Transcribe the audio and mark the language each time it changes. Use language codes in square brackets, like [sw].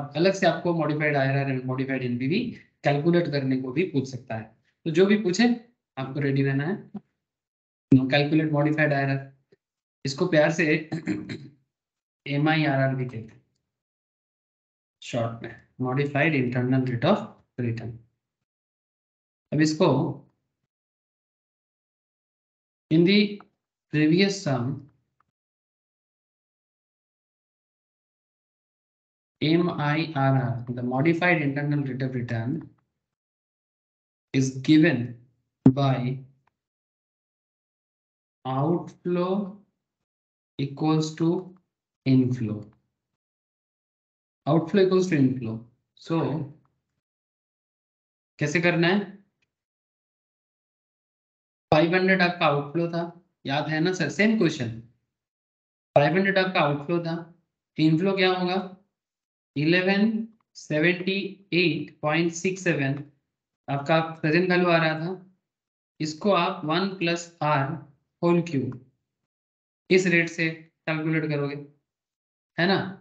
[hi] और अलग से आपको modified IRR and modified NPV calculate करने को भी पूछ सकता है, तो जो भी पूछे आपको रेडी रहना है। नो कैलकुलेट मॉडिफाइड आईआरआर, इसको प्यार से एमआईआरआर भी कहते हैं शॉर्ट में, modified internal rate of return. अब इसको [en] In the previous sum MIRR, the modified internal rate of return, is given by outflow equals to inflow. Outflow equals to inflow. [hi] So, कैसे करना है? 500 आपका आउटफ्लो था, याद है ना सर? सेम क्वेश्चन, 500 आपका आउटफ्लो था, इनफ्लो क्या होगा? 1178.67 आपका प्रेजेंट वैल्यू आ रहा था, इसको आप 1 + R³ इस रेट से कैलकुलेट करोगे, है ना?